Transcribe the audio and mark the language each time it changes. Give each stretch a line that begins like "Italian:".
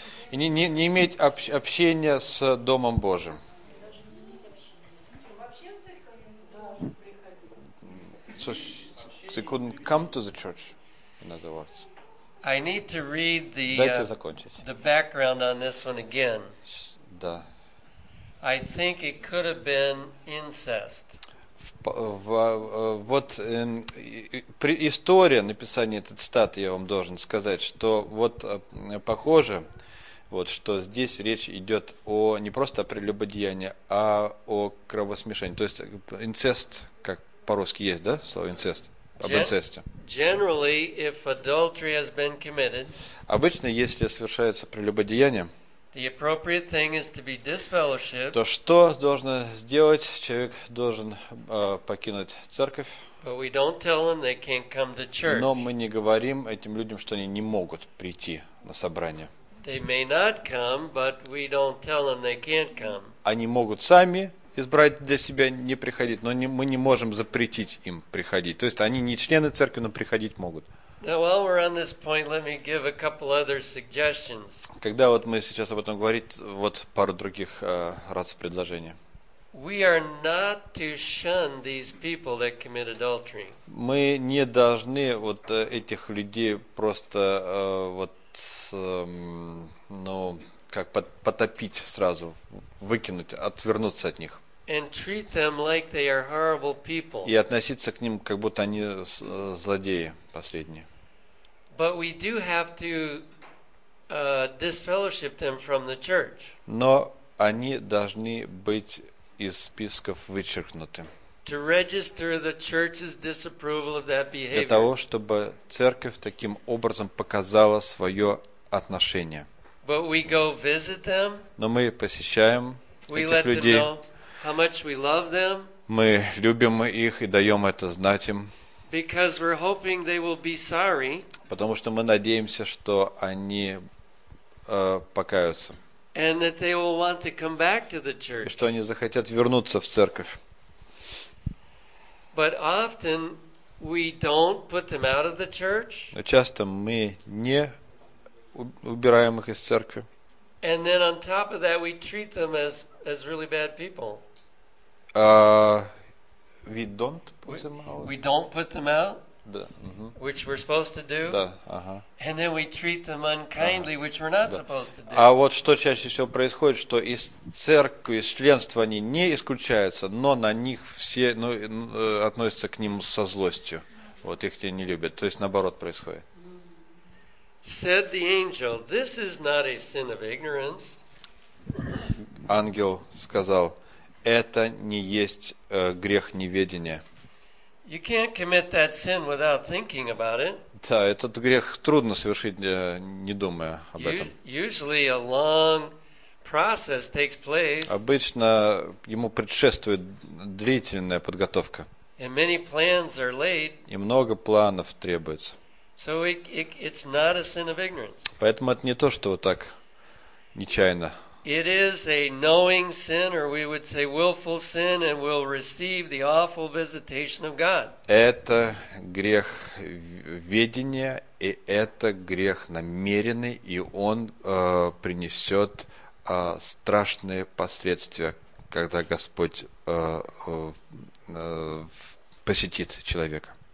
Russian: И не иметь общения с домом Божьим.
English: So she couldn't come to the church, in other words. I need to read the the background on this one again.
Russian: Да.
English: I think it could have been incest.
Russian: Вот история написания этой цитаты, я вам должен сказать, что вот похоже, вот что здесь речь идет о не просто о прелюбодеянии, а о кровосмешении. То есть инцест, как по-русски есть, да, слово инцест, об инцесте.
English: Generally, if adultery has been committed,
Russian: обычно, если совершается прелюбодеяние,
English: the appropriate thing is to be disfellowshipped,
Russian: то что должен сделать? Человек должен покинуть церковь.
English: But we don't tell them they can't come to church.
Russian: Но мы не говорим этим людям, что они не могут прийти на собрание.
English: They may not come, but we don't tell them they can't come.
Russian: Они могут сами избрать для себя не приходить, но мы не можем запретить им приходить. То есть они не члены церкви, но приходить могут.
English: Now, while we're on this point, let me give a couple other suggestions.
Russian: Когда вот мы сейчас об этом говорим, вот пару других раз предложений.
English: We are not to shun these people that commit adultery.
Russian: Мы не должны вот этих людей просто вот как потопить сразу, выкинуть, отвернуться от них.
English: And treat them like they are horrible people.
Russian: И относиться к ним, как будто они злодеи последние.
English: But we do have to disfellowship them from the church.
Russian: Но они должны быть из списков вычеркнуты.
English: To register the church's disapproval of that behavior.
Russian: Для того, чтобы церковь таким образом показала свое отношение.
English: But we go visit them.
Russian: Но мы посещаем этих людей.
English: We let them know how much we love them.
Russian: Мы любим их и даем это знать им.
English: Because we're hoping they will be sorry.
Russian: Потому что мы надеемся, что они покаются.
English: And that they will want to come back to the church.
Russian: И что они захотят вернуться в церковь.
English: But often we don't put them out of the church.
Russian: Но часто мы не убираем их из церкви.
English: And then on top of that, we treat them as really bad people. We don't put them out. We don't put them out.
Russian: Да. Mm-hmm.
English: Which we're supposed to do.
Russian: Да. Uh-huh.
English: And then we treat them unkindly, uh-huh. Which we're not
Russian: да.
English: Supposed to do.
Russian: А вот что чаще всего происходит, что из церкви, из членства они не исключаются, но на них все относятся к ним со злостью. Вот их те не любят. То есть наоборот происходит.
English: Said the angel, "This is not a sin of ignorance."
Russian: Ангел сказал, это не есть грех неведения.
English: You can't commit that sin without thinking about it.
Russian: Да, этот грех трудно совершить, не думая об этом.
English: Usually, a long process takes place,
Russian: обычно ему предшествует длительная подготовка.
English: And many plans are laid.
Russian: И много планов требуется.
English: So it's not a sin of ignorance.
Russian: Поэтому это не то, что вот так нечаянно.
English: It is a knowing sin, or we would say willful sin, and will receive the awful visitation of God.
Russian: Это грех ведения, и это грех намеренный, и он принесет страшные последствия, когда Господь посетит человека.